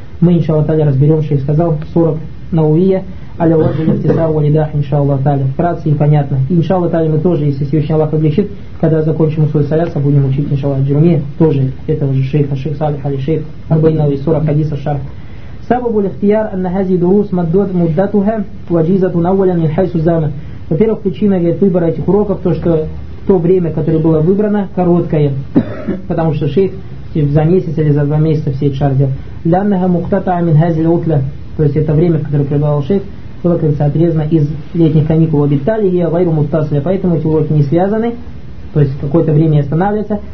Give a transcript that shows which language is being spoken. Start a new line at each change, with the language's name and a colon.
Russian: Мы, иншаллаху тааля, разберем, что я сказал, 40 Науия, Аля Ваджи Лихтисар Валидах, иншаллаху тааля. Вкратце и понятно. И иншаллаху тааля мы тоже, если Всевышний Аллах облегчит, когда закончим свой саляса, будем учить, иншаллаху джуми, тоже этого же шейха, шейх Салих Али Шейх, Арбаина Ви Сурат Хадиса Шар.
Arabic: سبب الاختيار أن هذه دروس مدتها وجيزة أولا من حيث الزمن.
Russian: Во-первых, причина для выбора этих уроков то, что то время, которое было выбрано, короткое, потому что шейх за месяц или за два месяца все эти шарды.
Arabic: لأنها مقتطعة من هذه العطلة.
Russian: То есть это время, которое предлагал шейх, было как-то отрезано из летних каникул.
Arabic: وبالتالي هي غير متصلة.
Russian: Поэтому эти уроки не связаны. То есть какое-то время останавливается.